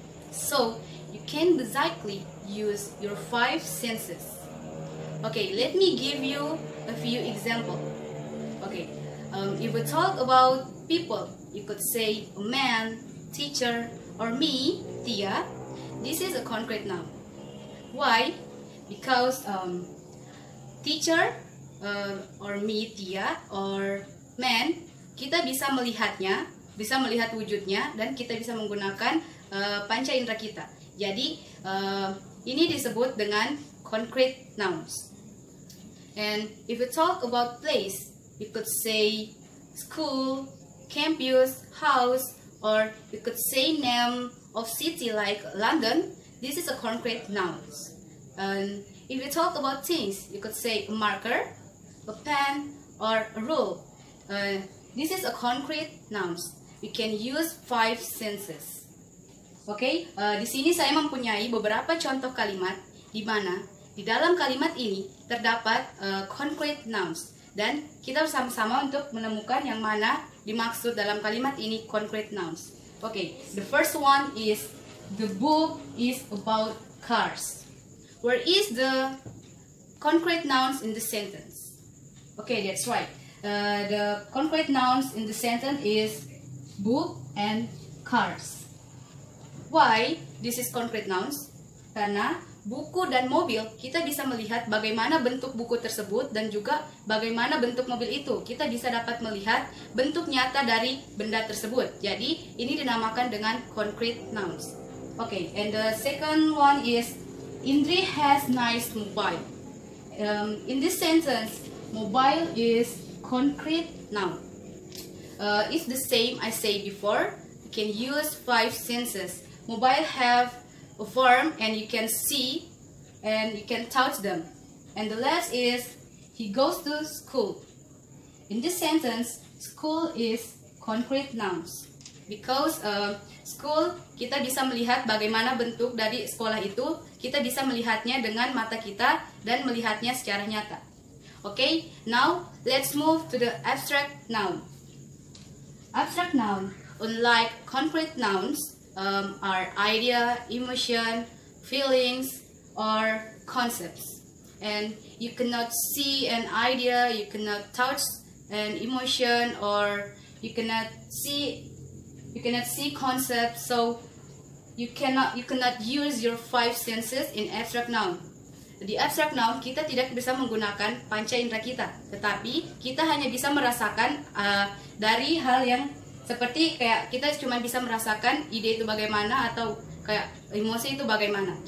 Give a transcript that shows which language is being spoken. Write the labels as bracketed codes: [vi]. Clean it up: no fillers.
[en] So you can basically use your 5 senses. Okay, let me give you a few examples. Okay, if we talk about people, you could say a man, teacher, or me, Tia. This is a concrete noun. Why? Because teacher or me, Tia, or man, [id] kita bisa melihatnya, bisa melihat wujudnya, dan kita bisa menggunakan panca indera kita. Jadi, ini disebut dengan concrete nouns. [en] And if you talk about place, you could say school, campus, house, or you could say name of city like London. This is a concrete noun. And if you talk about things, you could say a marker, a pen, or a rule. This is a concrete noun. We can use 5 senses. [id] Okay, di sini saya mempunyai beberapa contoh kalimat di mana di dalam kalimat ini terdapat concrete nouns, dan kita bersama-sama untuk menemukan yang mana dimaksud dalam kalimat ini concrete nouns. [en] Okay, the first one is the book is about cars. Where is the concrete nouns in the sentence? Okay, that's right. The concrete nouns in the sentence is book and cars. Why this is concrete nouns? [id] Karena buku dan mobil, kita bisa melihat bagaimana bentuk buku tersebut dan juga bagaimana bentuk mobil itu. Kita bisa dapat melihat bentuk nyata dari benda tersebut. Jadi, ini dinamakan dengan concrete nouns. [en] Okay, and the second one is Indri has nice mobile. In this sentence, mobile is concrete noun. It's the same I say before. You can use five senses. Mobile have a form and you can see and you can touch them. And the last is he goes to school. In this sentence, school is concrete nouns. Because school, [id] kita bisa melihat bagaimana bentuk dari sekolah itu. Kita bisa melihatnya dengan mata kita dan melihatnya secara nyata. [en] Okay, now let's move to the abstract noun. Abstract noun, unlike concrete nouns, are idea, emotion, feelings, or concepts. And you cannot see an idea, you cannot touch an emotion, or you cannot see concepts. So you cannot use your five senses in abstract noun. [id] Di abstract noun, kita tidak bisa menggunakan panca indera kita. Tetapi, kita hanya bisa merasakan dari hal yang seperti kayak kita cuma bisa merasakan ide itu bagaimana atau kayak emosi itu bagaimana.